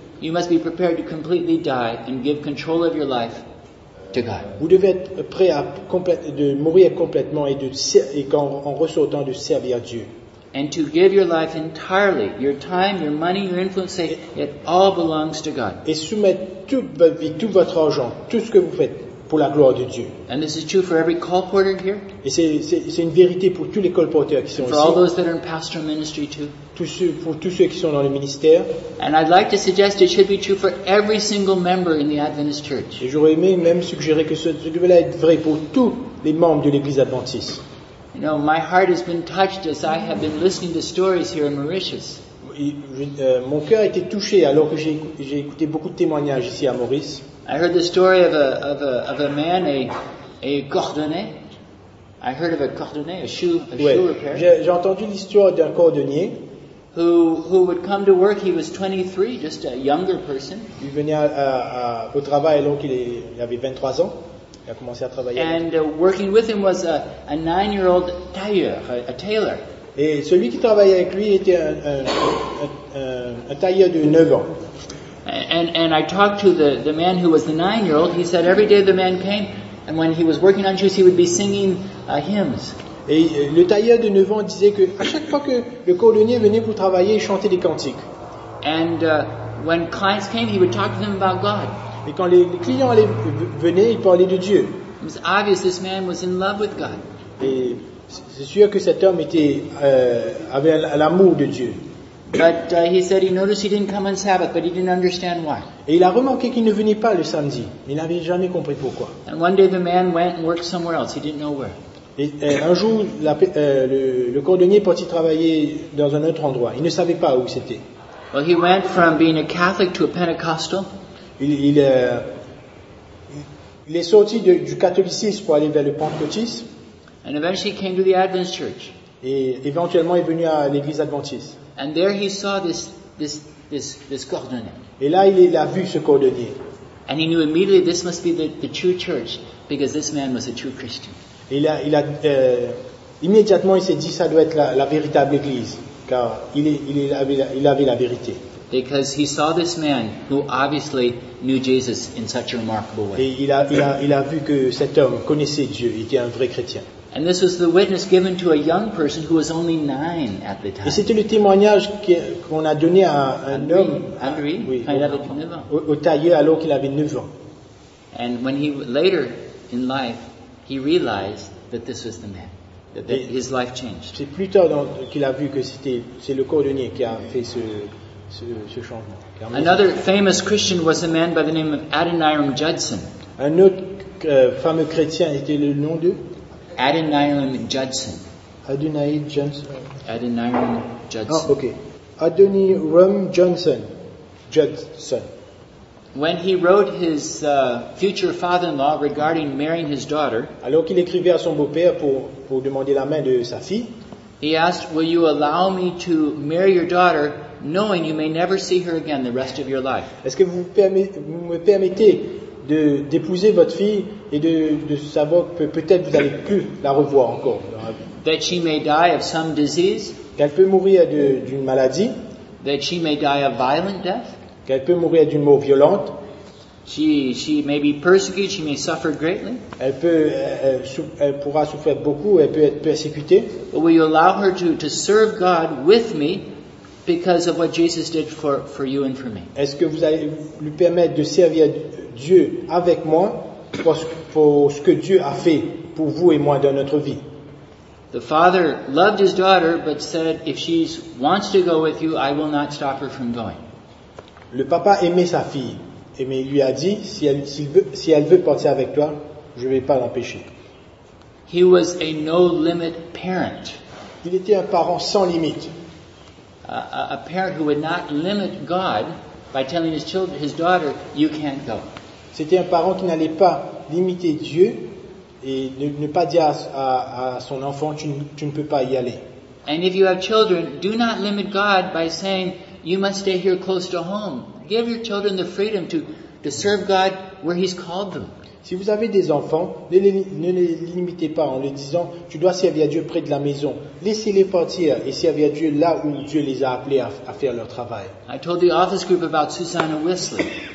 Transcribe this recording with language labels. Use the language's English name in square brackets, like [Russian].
[English] You must be prepared to completely die and give control of your life to God. [French] Vous devez être prêt à de mourir complètement et qu'en ressortant de servir Dieu. [English] And to give your life entirely, your time, your money, your influence, it all belongs to God. [French] Et soumettre toute votre vie, tout votre argent, tout ce que vous faites pour la gloire de Dieu. [English] And this is true for every colporteur here. [French] Et c'est une vérité pour tous les colporteurs qui sont ici. [English] For all those that are in pastoral ministry too. [French] Pour tous ceux qui sont dans le ministère. [English] And I'd like to suggest it should be true for every single member in the Adventist Church. [French] Et j'aurais aimé même suggérer que ce devait être vrai pour tous les membres de l'Église Adventiste. [English] You know, my heart has been touched as I have been listening to stories here in Mauritius. [French] Mon cœur a été touché alors que j'ai écouté beaucoup de témoignages ici à Maurice. [English] I heard the story of a man, a cordonnier. I heard of a cordonnier, a shoe repairer. [French] J'ai entendu l'histoire d'un cordonnier. [English] Who would come to work? He was 23, just a younger person. [French] Il venait au travail alors qu'il avait 23 ans. Il a commencé à travailler. [English] And working with him was a nine-year-old tailleur, a tailor. [French] Et celui qui travaillait avec lui était un tailleur de 9 ans. [English] And I talked to the man who was the nine-year-old. He said every day the man came, and when he was working on shoes, he would be singing hymns. [French] Et le tailleur de 9 ans disait que à chaque fois que le cordonnier venait pour travailler, il chantait des cantiques. [English] And when clients came, he would talk to them about God. [French] Et quand les clients allaient, venaient, ils parlaient de Dieu. [English] It was obvious this man was in love with God. [French] Et c'est sûr que cet homme était avait l'amour de Dieu. [English] But he said he noticed he didn't come on Sabbath, but he didn't understand why. [French] Et il a remarqué qu'il ne venait pas le samedi. Il n'avait jamais compris pourquoi. [English] And one day the man went and worked somewhere else. He didn't know where. [French] Et un jour, le cordonnier partit travailler dans un autre endroit. Il ne savait pas où c'était. [English] Well, he went from being a Catholic to a Pentecostal. [French] Il est sorti du catholicisme pour aller vers le pentecôtisme. [English] And eventually came to the Adventist Church. [French] Et éventuellement est venu à l'église adventiste. [English] And there he saw this cordonnier. [French] Et là, il a vu ce cordonnier. [English] And he knew immediately this must be the true church because this man was a true Christian. [French] Et là, immédiatement, il s'est dit, ça doit être la véritable église, car il avait la vérité. [English] Because he saw this man who obviously knew Jesus in such a remarkable way. [French] Et il a vu que cet homme connaissait Dieu, il était un vrai chrétien. [English] And this was the witness given to a young person who was only 9 at the time. [French] Et c'était le témoignage qu'on a donné à un Henri, homme, Henri, oui, au tailleur alors qu'il avait 9 ans. [English] And when he later in life he realized that this was the man. That his life changed. [French] C'est plus tard qu'il a vu que c'est le cordonnier qui a fait ce changement. [English] Another famous Christian was a man by the name of Adoniram Judson. [French] Un autre fameux chrétien était le nom de Adoniram Judson. Adoniram Judson. Adoniram Judson. [English] Oh, okay. Adoniram Judson. Judson. When he wrote his future father-in-law regarding marrying his daughter, [French] alors qu'il écrivait à son beau-père pour demander la main de sa fille, [English] he asked, "Will you allow me to marry your daughter, knowing you may never see her again the rest of your life?" [French] Est-ce que vous me permettez de d'épouser votre fille et de savoir que peut-être vous n'allez plus la revoir encore dans la vie? [English] That she may die of some disease. [French] Qu'elle peut mourir d'une maladie. [English] That she may die a violent death. [French] Qu'elle peut mourir d'une mort violente. [English] She may be persecuted, she may suffer greatly. [French] Elle pourra souffrir beaucoup, elle peut être persécutée. [English] But will you allow her to serve God with me because of what Jesus did for you and for me? [French] Est-ce que vous allez lui permettre de servir Dieu avec moi pour ce que Dieu a fait pour vous et moi dans notre vie? [English] The father loved his daughter but said, if she wants to go with you, I will not stop her from going. [French] Le papa aimait sa fille, mais il lui a dit, si elle veut partir avec toi, je ne vais pas l'empêcher. [English] He was a no limit parent. [French] Il était un parent sans limite. [English] A parent who would not limit God by telling his daughter, you can't go. [French] C'était un parent qui n'allait pas limiter Dieu et ne pas dire à son enfant, tu ne peux pas y aller. [English] And if you have children, do not limit God by saying, you must stay here close to home. Give your children the freedom to serve God where He's called them. [French] Si vous avez des enfants, ne les limitez pas en les disant, tu dois servir Dieu près de la maison. Laissez-les partir et servir Dieu là où Dieu les a appelés à faire leur travail. [English] I told the office group about Susanna Wesley.